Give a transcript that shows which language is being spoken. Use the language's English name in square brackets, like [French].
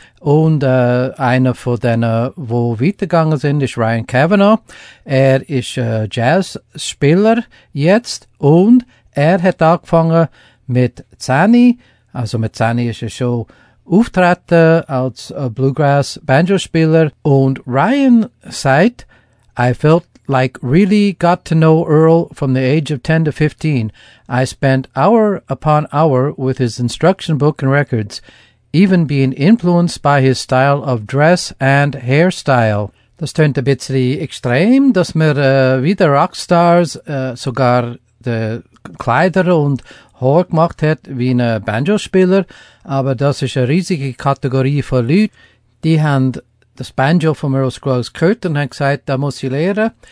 [German] Und einer von denen, wo weitergegangen sind, ist Ryan Cavanagh. Er ist Jazz-Spieler jetzt und er hat angefangen mit Zanny. Also mit Zanny ist er schon auftreten als Bluegrass-Banjo-Spieler. Und Ryan sagt, [English] I felt like really got to know Earl from the age of 10 to 15. I spent hour upon hour with his instruction book and records, even being influenced by his style of dress and hairstyle. [German] Das tönt ein bisschen extrem, dass wir wie der Rockstars sogar die Kleider und Haar gemacht hat wie ein Banjo-Spieler. Aber das ist eine riesige Kategorie von Leuten, die haben das Banjo von Earl Scruggs gehört und hat gesagt, da muss ich lernen.